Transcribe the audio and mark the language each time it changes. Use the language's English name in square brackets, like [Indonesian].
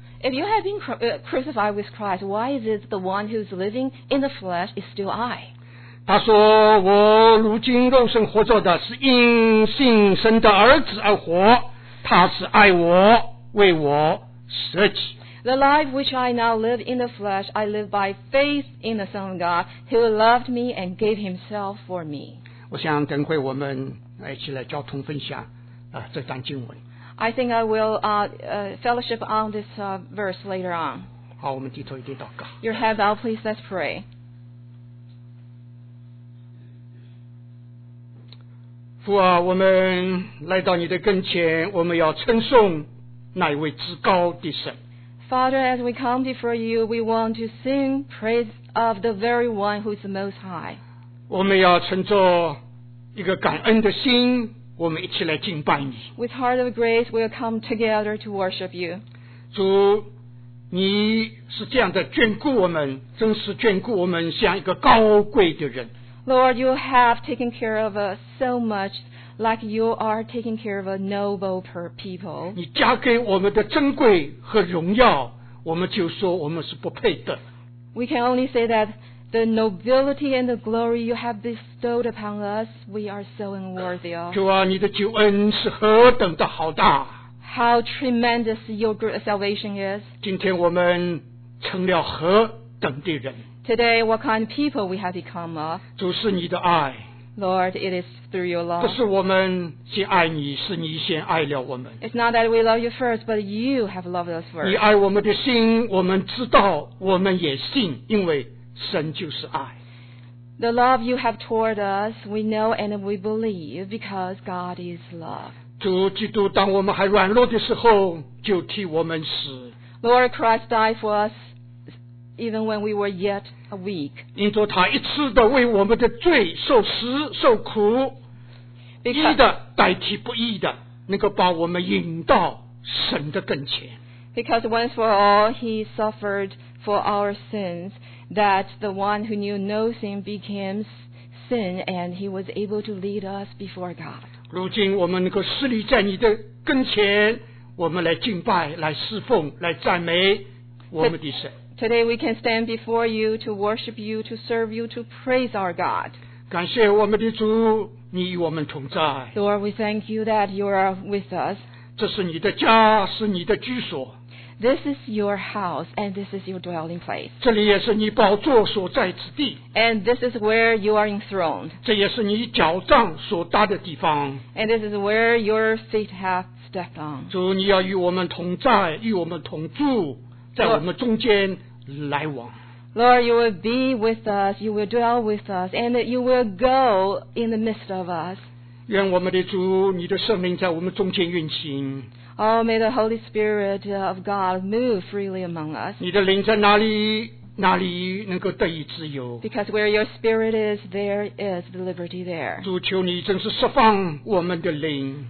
[English] If you have been crucified with Christ, why is it the one who is living in the flesh is still I? [Chinese] 他说我如今肉身活着的是因信神的儿子而活，他是爱我，为我舍己。 [English] The life which I now live in the flesh, I live by faith in the Son of God, who loved me and gave himself for me. [Chinese] 我想等会我们一起来交通分享这段经文。 [English] I think I will fellowship on this verse later on. [Chinese] 好，我们低头一点祷告。 [English] Your head bowed, please. Let's pray. [Chinese] 父啊，我们来到你的跟前，我们要称颂那位至高的神。 [English] Father, as we come before you, we want to sing praise of the very one who is the Most High. [Chinese] 我们要乘着一个感恩的心。我们一起来敬拜你。 [English] With heart of grace, we'll come together to worship you. [Chinese] 主，你是这样的眷顾我们，真是眷顾我们，像一个高贵的人。 [English] Lord, you have taken care of us so much, like you are taking care of a noble people. [Chinese] 你加给我们的珍贵和荣耀，我们就说我们是不配的。 [English] We can only say that The nobility and the glory you have bestowed upon us, we are so unworthy of. [Chinese] 主啊，你的救恩是何等的好大。 [English] How tremendous your salvation is. [Chinese] 今天我们成了何等的人。 [English] Today, what kind of people we have become of. [Chinese] 主是你的爱。 [English] Lord, it is through your love. [Chinese] 不是我们先爱你，是你先爱了我们。 [English] It's not that we love you first, but you have loved us first. [Chinese] 你爱我们的心，我们知道，我们也信，因为神就是爱。 [English] The love you have toward us, we know and we believe because God is love. [Chinese] 主基督，当我们还软弱的时候，就替我们死。 [English] Lord Christ died for us even when we were yet weak. [Chinese] 因着他一次的为我们的罪受死受苦，义的代替不义的，能够把我们引到神的跟前。 [English] Because once for all, he suffered for our sins. That the one who knew no sin became sin, and he was able to lead us before God. [Chinese] 如今我们能够侍立在你的跟前，我们来敬拜、来侍奉、来赞美我们的神。 [English] Today we can stand before you to worship you, to serve you, to praise our God. [Chinese] 感谢我们的主，你与我们同在。 [English] Lord, we thank you that you are with us. [Chinese] 这是你的家，是你的居所。 [English] This is your house, and this is your dwelling place. [Chinese] 这里也是你宝座所在之地。 [English] And this is where you are enthroned. [Chinese] 这也是你脚杖所搭的地方。 [English] And this is where your feet have stepped on. [Chinese] 主，你要与我们同在，与我们同住，在我们中间来往。 [English] Lord, you will be with us, you will dwell with us, and you will go in the midst of us. [Chinese] 愿我们的主，你的圣灵在我们中间运行。 [English] Oh, may the Holy Spirit of God move freely among us. [Chinese] 你的灵在哪里，哪里能够得以自由。 [English] Because where your spirit is, there is the liberty there. [Chinese] 主求你真是释放我们的灵。